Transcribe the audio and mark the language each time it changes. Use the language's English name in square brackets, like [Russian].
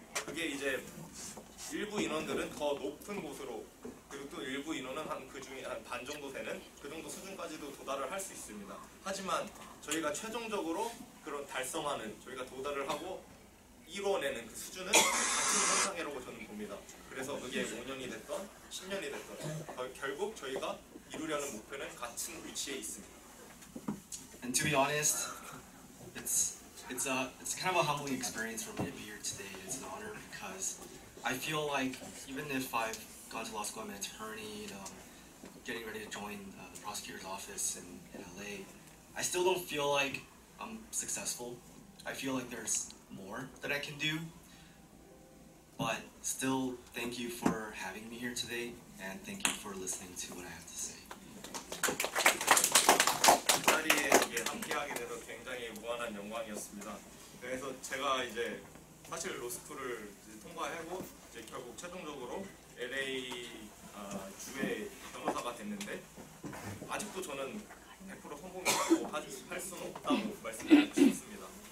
[Korean] 그게 이제 일부 인원들은 더 높은 곳으로 그리고 또 일부 인원은 한 그 중에 한 반 정도 되는 그 정도 수준까지도 도달을 할 수 있습니다. 하지만 저희가 최종적으로 그런 달성하는 저희가 도달을 하고 이뤄내는 그 수준은 같은 현상이라고 저는 봅니다. 그래서 그게 5년이 됐던 10년이 됐던 결국 저희가 이루려는 목표는 같은 위치에 있습니다. [English] And to be honest, it's kind of a humbling experience for me to be here today. It's an honor because I feel like even if I've gone to law school, I'm an attorney, and, getting ready to join the prosecutor's office in LA, I still don't feel like I'm successful. I feel like there's more that I can do, but still thank you for having me here today and thank you for listening to what I have to say. [Korean] 함께하게 돼서 굉장히 무한한 영광이었습니다. 그래서 제가 이제 사실 로스쿨을 이제 통과하고 이제 결국 최종적으로 LA주의 변호사가 됐는데 아직도 저는 100% 성공이라고 할 수는 없다고 말씀드리고 싶습니다.